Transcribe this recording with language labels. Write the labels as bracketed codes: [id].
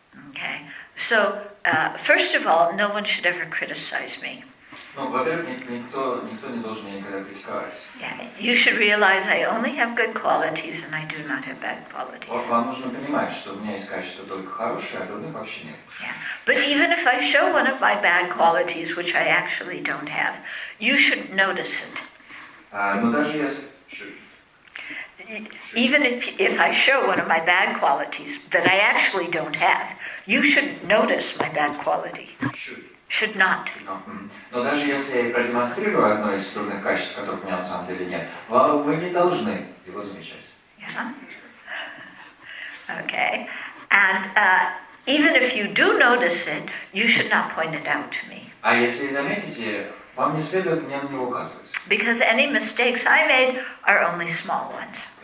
[en] Okay, so first of all, no one should ever criticize me. [ru] Ну, во-первых, никто не должен никогда критиковать. [en] Yeah. You should realize I only have good qualities and I do not have bad qualities. [ru] Вам нужно понимать, что у меня есть качества только хорошие, а дурных вообще нет. [en] Yeah. But even if I show one of my bad qualities, which I actually don't have, you should notice it. [ru] Но даже если... [en] Even if I show one of my bad qualities that I actually don't have, you should notice my bad quality. Should not. [ru] Но даже если я продемонстрирую одно из трудных качеств, которых у меня на самом деле нет, вы не должны его замечать. [en] Yeah. Okay. And even if you do notice it, you should not point it out to me. [ru] А если заметите, вам не следует мне на него указывать. [en] Because any mistakes I made are only small ones.